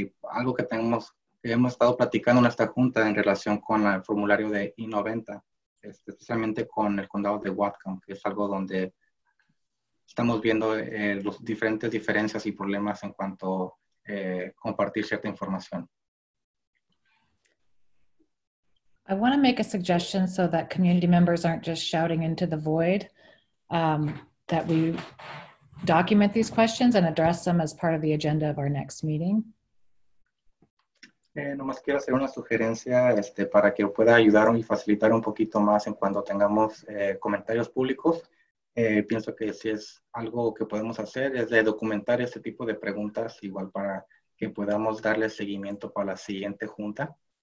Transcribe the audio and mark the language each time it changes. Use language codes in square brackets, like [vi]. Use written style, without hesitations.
[es] Algo que hemos estado platicando en esta junta en relación con el formulario de I-90. Especialmente con el condado de Whatcom, que es algo donde estamos viendo los diferentes diferencias y problemas en cuanto a compartir cierta información. [en] I want to make a suggestion so that community members aren't just shouting into the void, that we document these questions and address them as part of the agenda of our next meeting. [es] Nomás quiero hacer una sugerencia para que pueda ayudar y facilitar un poquito más en cuando tengamos comentarios públicos. Pienso que si es algo que podemos hacer es de documentar este tipo de preguntas igual para que podamos darle seguimiento para la siguiente junta.